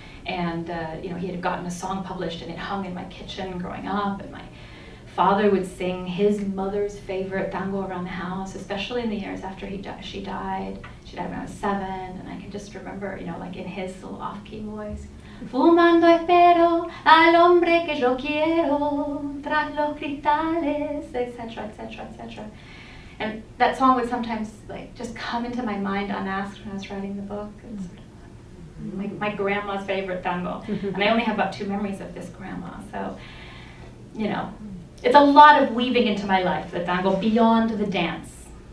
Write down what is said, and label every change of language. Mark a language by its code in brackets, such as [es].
[en] And, you know, he had gotten a song published and it hung in my kitchen growing up. And my father would sing his mother's favorite tango around the house, especially in the years after she died. She died when I was 7. And I can just remember, you know, like in his little off-key voice. [es] Fumando espero al hombre que yo quiero tras los cristales, etc., etc., etc. [en] And that song would sometimes like just come into my mind unasked when I was writing the book. And sort of like my grandma's favorite tango. And I only have about 2 memories of this grandma. So, you know, it's a lot of weaving into my life, the tango, beyond the dance.